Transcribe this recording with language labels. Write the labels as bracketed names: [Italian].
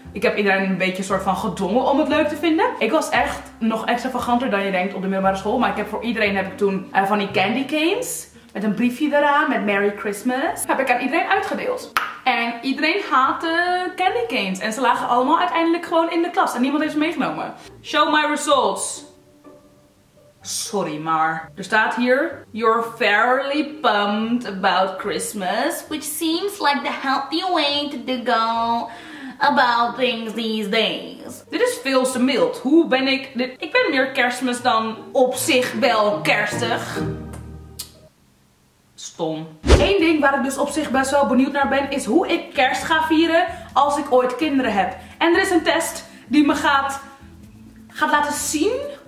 [Dutch] Ik heb iedereen een beetje soort van gedwongen om het leuk te vinden. Ik was echt nog extravaganter dan je denkt op de middelbare school. Maar ik heb voor iedereen heb ik toen van die candy canes. Met een briefje eraan, met Merry Christmas. Heb ik aan iedereen uitgedeeld. En iedereen haatte candy canes. En ze lagen allemaal uiteindelijk gewoon in de klas. En niemand heeft ze meegenomen. [English] Show my results. Sorry maar. [Dutch] Er staat hier, [English] you're fairly pumped about Christmas, which seems like the healthy way to go about things these days. [Dutch] Dit is veel te mild. Hoe ben ik dit? Ik ben meer kerstmis dan op zich wel kerstig. Stom. Eén ding waar ik dus op zich best wel benieuwd naar ben, is hoe ik kerst ga vieren als ik ooit kinderen heb. En er is een test die me gaat laten zien...